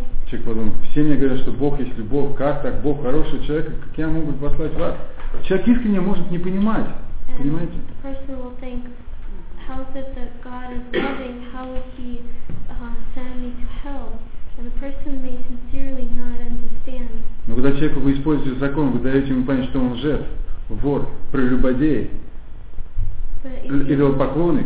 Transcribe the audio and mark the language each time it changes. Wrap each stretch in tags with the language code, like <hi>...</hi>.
<ru>Человек подумал, все мне говорят, что Бог есть любовь, как так, Бог хороший человек, как я могу послать в ад? Человек искренне может не понимать,</ru> <en>and</en> <ru>понимаете?</ru> <en>The person will think, how is it that God is loving? How would He send me to hell? And the person may sincerely not understand.</en> <ru>Но когда человеку вы используете закон, вы даете ему понять, что он лжец, вор, прелюбодей, идолопоклонник.</ru>